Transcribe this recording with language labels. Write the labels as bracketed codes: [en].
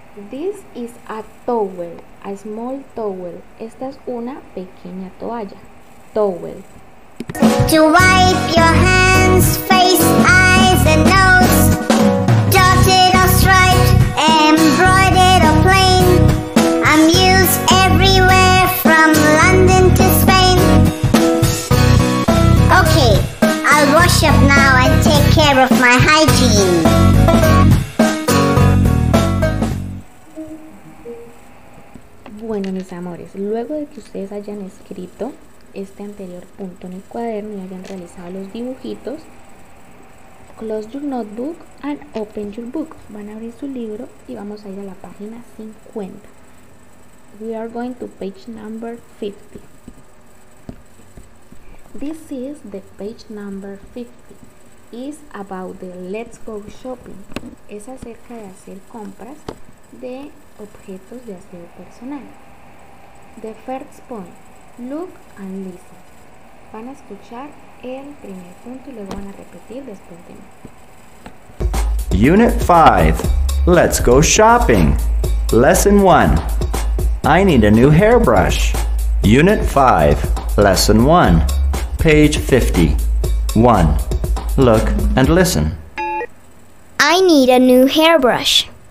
[en] This is a towel, a small towel. [es] Esta es una pequeña toalla. [en] Towel. To wipe your hands, face, eyes and nose. Dotted or striped, embroidered or plain. I'm used everywhere from London to Spain. Okay, I'll wash up now and take care of my hygiene. [es] Bueno, mis amores, luego de que ustedes hayan escrito este anterior punto en el cuaderno y hayan realizado los dibujitos, [en] close your notebook and open your book. [es] Van a abrir su libro y vamos a ir a la página 50. [en] We are going to page number 50. This is the page number 50. It's about the let's go shopping. [es] Es acerca de hacer compras de objetos de aseo personal. [en] The first point, look and listen. [es] Van a escuchar el primer punto y luego van a repetir después de mí. [en] Unit 5, let's go shopping. Lesson 1, I need a new hairbrush. Unit 5, lesson 1, page 50. 1, look and listen. I need a new hairbrush.